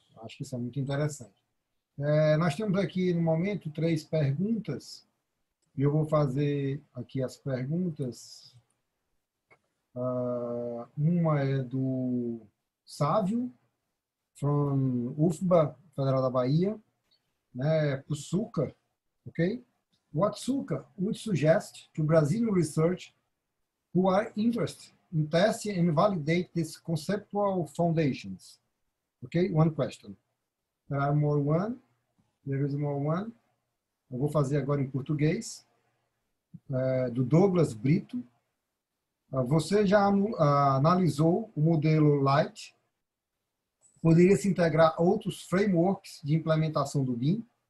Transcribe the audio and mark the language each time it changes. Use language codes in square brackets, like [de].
[pt] Acho que isso é muito interessante. Nós temos aqui, no momento, três perguntas. Eu vou fazer aqui as perguntas. Uma é do Sávio, from UFBA, Federal da Bahia, né, para o Succar, ok? [en] What Succar would suggest to Brazilian research who are interested in testing and validate these conceptual foundations? Ok? One question. There are more one. There is more one. [pt] Eu vou fazer agora em português. Do Douglas Brito, Você já analisou o modelo LITE? Poderia se integrar outros frameworks de implementação do BIM?